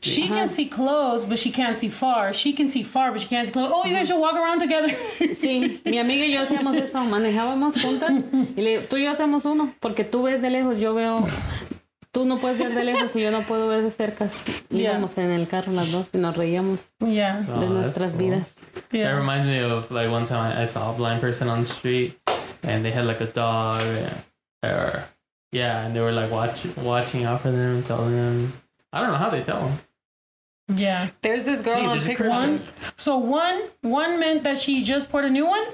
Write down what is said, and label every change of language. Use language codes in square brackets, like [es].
[en] She can see close, but she can't see far. She can see far, but she can't see close. Oh, you guys should walk around together. [es] Sí. Mi amiga y yo hacíamos eso. Manejábamos juntas. Y le digo, tú y yo hacemos uno, porque tú ves de lejos, yo veo... Tú no puedes ver de lejos y yo no puedo ver de cerca. Íbamos en el carro las dos y nos reíamos de nuestras vidas. [en] Yeah. That reminds me of like one time I saw a blind person on the street and they had like a dog and they were like watching out for them and telling them. I don't know how they tell them. Yeah. There's this girl on TikTok. One meant that she just poured a new one?